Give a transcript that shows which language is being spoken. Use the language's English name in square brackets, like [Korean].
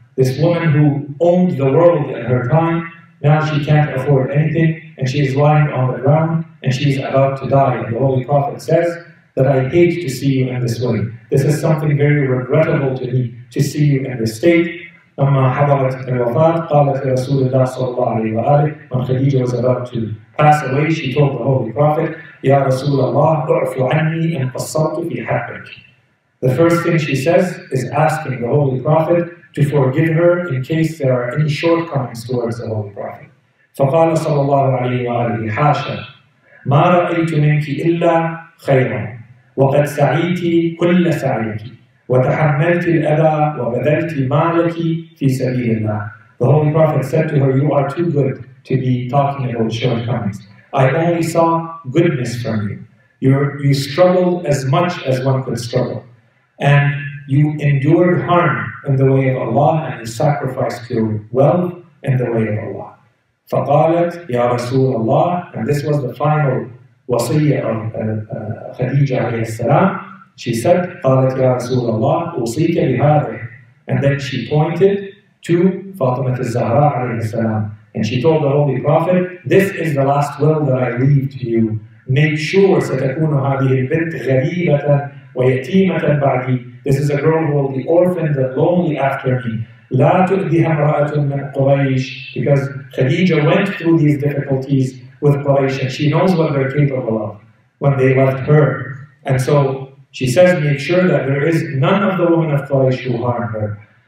[English] This woman who owned the world in her time, now she can't afford anything, and she is lying on the ground, and she is about to die. And the Holy Prophet says that I hate to see you in this way. This is something very regrettable to me, to see you in this state. [Arabic] لما حضرتها الوفاة قالت رسول الله صلى الله عليه وآله. [English] When Khadija was about to pass away, she told the Holy Prophet, Ya Rasulallah, [Arabic] اعفو عني إن قصرت في حقك. [English] The first thing she says is asking the Holy Prophet to forgive her in case there are any shortcomings towards the Holy Prophet. [Arabic] فقال صلى الله عليه وآله حاشا ما رأيت منك إلا خيرا وقد سعيت كل سعيك وتحملت الأذى وبذلت مالك في سبيل الله. [English] The Holy Prophet said to her, you are too good to be talking about shortcomings. I only saw goodness from you. You struggled as much as one could struggle. And you endured harm in the way of Allah, and you sacrificed your wealth in the way of Allah. [Arabic] فقالت يا رسول الله. [English] And this was the final wasiyah of Khadija alayhi salam. She said, [Arabic] قالت يا رسول الله أوصيك بهذا. [English] And then she pointed to Fatima al-Zahra alayhi salam. And she told the Holy Prophet, this is the last will that I leave to you. Make sure [Arabic] ستكون هذه البنت غريبة ويتيمة بعدي [English] This is a girl who will be orphaned and lonely after me. [Arabic] لا تؤذيها امرأة من قريش, [English] because Khadija went through these difficulties with Quraysh and she knows what they're capable of when they left her. And so she says, make sure that there is none of the women of Quraysh who harm her.